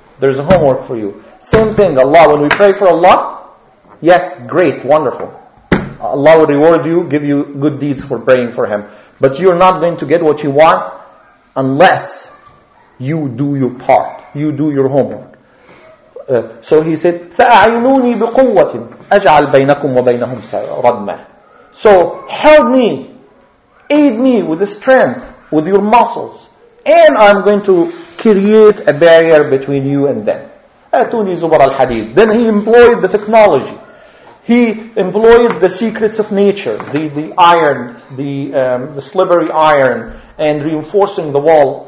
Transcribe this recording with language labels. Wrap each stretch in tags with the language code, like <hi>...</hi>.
<en>There's a homework for you. Same thing, Allah, when we pray for Allah, yes, great, wonderful. Allah will reward you, give you good deeds for praying for Him. But you're not going to get what you want unless you do your part. You do your homework. So he said,</en> <ar>فَأَعِنُونِي بِقُوَّةٍ أَجْعَلْ بَيْنَكُمْ وَبَيْنَهُمْ رَدْمًا.</ar> <en>So help me. Aid me with the strength, with your muscles, and I'm going to create a barrier between you and them.</en> <ar>Atuni zubar al hadid.</ar> <en>Then he employed the technology. He employed the secrets of nature, the iron, the slippery iron, and reinforcing the wall.</en>